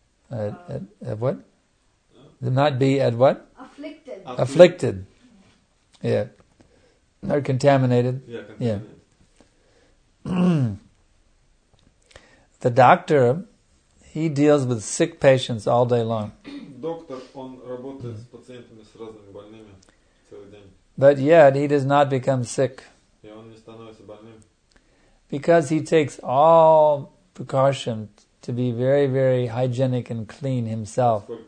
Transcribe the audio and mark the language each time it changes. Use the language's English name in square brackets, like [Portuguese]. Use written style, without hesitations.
[English] At what? Not be at what? Afflicted. Afflicted. Yeah. Not contaminated. Yeah, contaminated. Yeah. The doctor, he deals with sick patients all day long. [Russian] Доктор, он работает с пациентами, с разными больными целый день. [English] But yet, he does not become sick. [Russian] И он не становится больным. [English] Because he takes all precaution to be very, very hygienic and clean himself.